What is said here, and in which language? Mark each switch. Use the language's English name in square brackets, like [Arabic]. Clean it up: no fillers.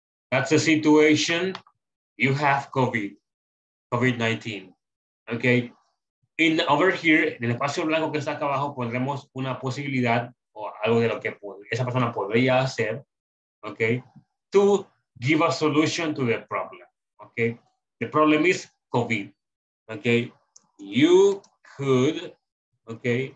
[English] That's a situation, you have COVID, COVID-19, okay? In over here, [Spanish] en el espacio blanco que está acá abajo, pondremos una posibilidad o algo de lo que esa persona podría hacer, okay? [English] To give a solution to the problem, okay? The problem is COVID, okay? You could, okay?